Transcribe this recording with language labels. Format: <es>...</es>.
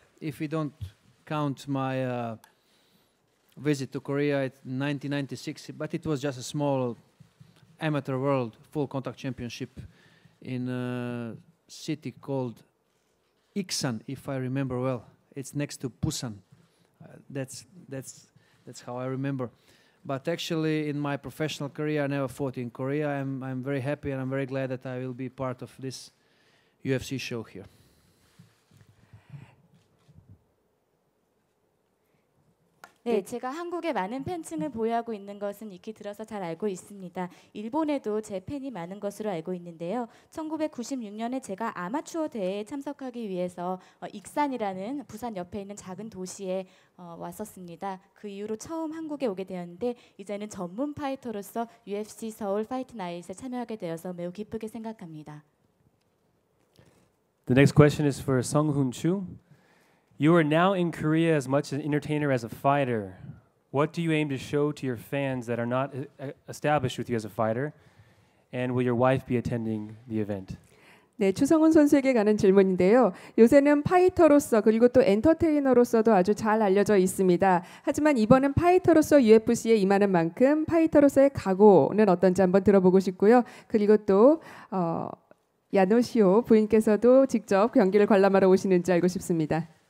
<en>If you don't count my visit to Korea in 1996, but it was just a small amateur world full contact championship in a city called Iksan, if I remember well. It's next to Busan. That's how I remember. But actually, in my professional career, I never fought in Korea. I'm very happy and I'm very glad that I will be part of this UFC show here.</en> <ko>Yes, 네, 제가 한국에 많은 팬층을 보유하고 있는 것은 익히 들어서 잘 알고 있습니다. 일본에도 제 팬이 많은 것으로 알고 있는데요. 1996년에 제가 아마추어 대회에 참석하기 위해서 익산이라는 부산 옆에 있는 작은 도시에 왔었습니다. 그 이후로 처음 한국에 오게 되었는데 이제는 전문 파이터로서 UFC 서울 파이트 나잇에 참여하게 되어서 매우 기쁘게 생각합니다.</ko> <en>The next question is for Sung Hoon Chu. You are now in Korea as much an entertainer as a fighter. What do you aim to show to your fans that are not established with you as a fighter? And will your wife be attending the event?</en> <ko>네, 추성훈 선수에게 가는 질문인데요. 요새는 파이터로서 그리고 또 엔터테이너로서도 아주 잘 알려져 있습니다. 하지만 이번엔 파이터로서 UFC에 임하는 만큼 파이터로서의 각오는 어떤지 한번 들어보고 싶고요. 그리고 또 야노시오 부인께서도 직접 경기를 관람하러 오시는지 알고 싶습니다.</ko>